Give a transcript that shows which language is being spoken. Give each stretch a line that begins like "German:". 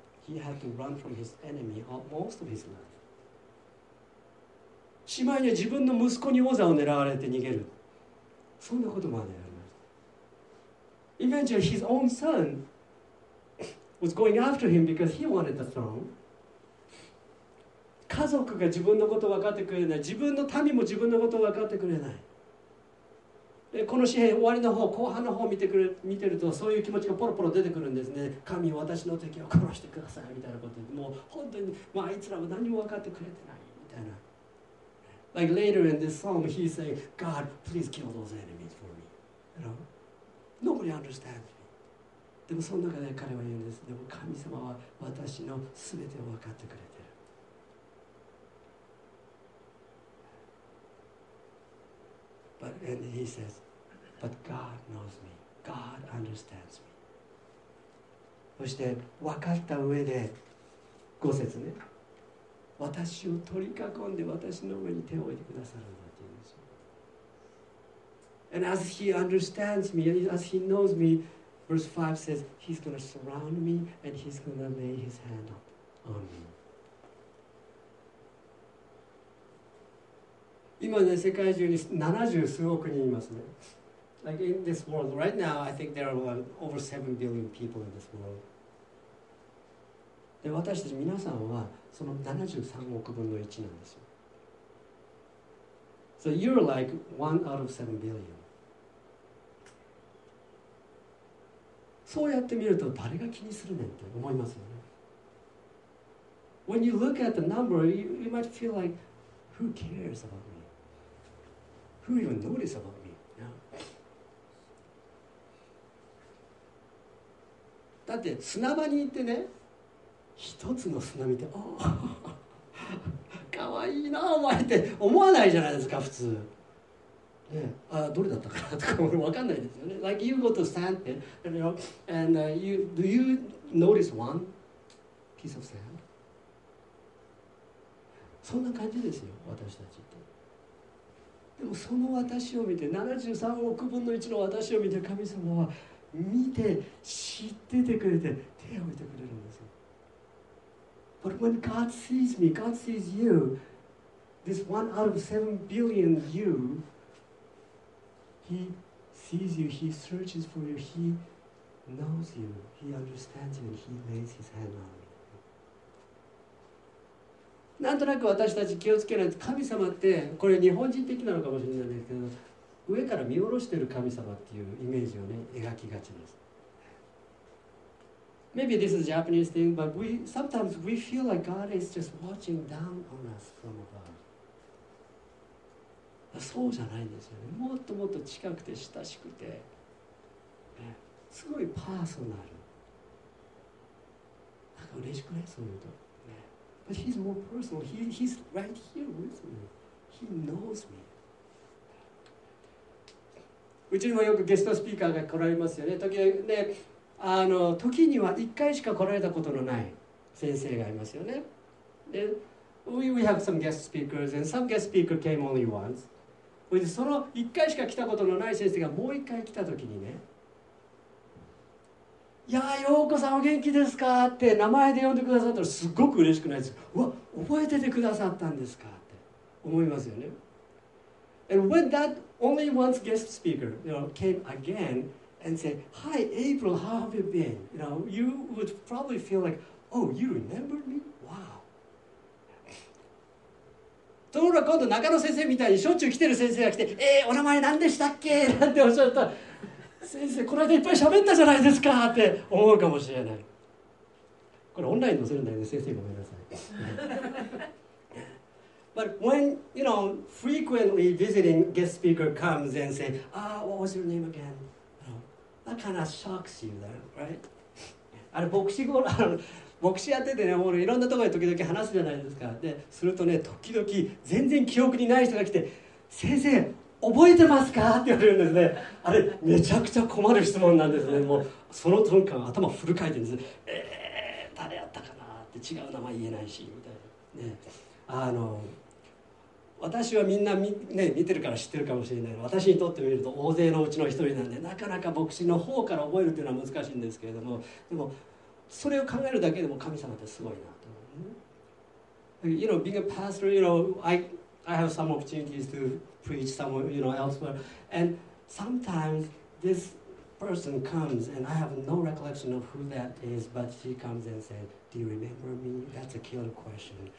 English: He had to run from his enemy most of his life.
Japanese: しまいには自分の息子に王座を狙われて逃げる。そんなこともあるよ。
English: Eventually, his own son was going after him because he wanted the throne.
Japanese: 家族が自分のことを分かってくれない。自分の民も自分のことを分かってくれない。この詩編、終わりの方、後半の方を見てると、そういう気持ちがポロポロ出てくるんですね。神、私の敵を殺してくださいみたいなこと。もう本当に、まあ、あいつらは何も分かってくれてないみたいな。
English: Like later in this psalm, he's saying, God, please kill those enemies for me. Nobody understands me.
Japanese: でもその中で彼は言うんです。でも神様は私の全てを分かってくれてる。
English: But, and he says, but God knows me. God understands me.
Japanese: そして分かった上で五節ね。私を取り囲んで私の上に手を置いてくださるんだというんですよ。
English: And as he understands me, as he knows me, verse 5 says, he's going to surround me and he's going to lay his hand up on me.
Japanese: 今ね、世界中に70数億人いますね。
English: Like in this world, right now, I think there are over 7 billion people in this world.
Japanese: で、私たち皆さんはその73億分の1なんですよ。
English: So you're like 1 out of 7 billion.
Japanese: そうやってみると誰が気にするねんって思いますよね。
English: When you look at the number, you might feel like, who cares about me? Who even knows about me?
Japanese: だって砂場に行ってね、一つの砂見て、ああ、かわいいなお前って思わないじゃないですか普通。ね、あどれだったかなとか俺分かんないですよね。
English: Like you go to sand pit, you know, and you do you notice one piece of sand?
Japanese: そんな感じですよ私たちって。でもその私を見て73億分の1の私を見て神様は見て知っててくれて手を置いてくれるんですよ。
English: But when God sees me, God sees you, this one out of 7 billion you. He sees you, he searches for you, he knows you, he understands you, and he lays his hand on you.
Japanese: なんとなく私たち気をつけないと、神様って、これ日本人的なのかもしれないですけど、上から見下ろしている神様っていうイメージをね、描きがちです。
English: Maybe this is a Japanese thing, but sometimes we feel like God is just watching down on us from above.
Japanese: そうじゃないんですよね。もっともっと近くて親しくて、すごいパーソナル。なんか嬉しくない？そういうと。
English: But he's more personal. He's right here with me. He knows me.
Japanese: うちにもよくゲストスピーカーが来られますよね。時には一回しか来られたことのない先生がいますよね。
English: で、we have some guest speakers and some guest speaker came only once.
Japanese: その一回しか来たことのない先生がもう一回来たときにね、いやー、陽子さんお元気ですかって名前で呼んでくださったらすごく嬉しくないですか。うわ、覚えててくださったんですかって思いますよね。
English: And when that only once guest speaker, you know, came again and said, Hi April, how have you been? You know, you would probably feel like, Oh, you remembered me?
Japanese: ところが今度中野先生みたいにしょっちゅう来てる先生が来て、お名前何でしたっけなんておっしゃったら、先生この間いっぱい喋ったじゃないですかって思うかもしれない。これオンライン載せるんだよね先生、ごめんなさい。
English: But when, you know, frequently visiting guest speaker comes and say, ah, what was your name again? That kind of shocks you, though, right?
Japanese: あれ、牧師ごろ、牧師やっててね、もういろんなところで時々話すじゃないですか。で、するとね、時々全然記憶にない人が来て、先生、覚えてますかって言われるんですね。あれ、めちゃくちゃ困る質問なんですね。もう、その瞬間、頭フル回転です。誰やったかなって違う名前言えないし、みたいな。ね、あの、私はみんな ね、見てるから知ってるかもしれない。私にとってみると大勢のうちの一人なんで、なかなか牧師の方から覚えるというのは難しいんですけれども、でもそれを考えるだけでも神様ってすごいなと思う。
English: You know, being a pastor, you know, I have some opportunities to preach somewhere, you know, elsewhere. And sometimes this person comes and I have no recollection of who that is, but she comes and said, do you remember me? That's a killer question.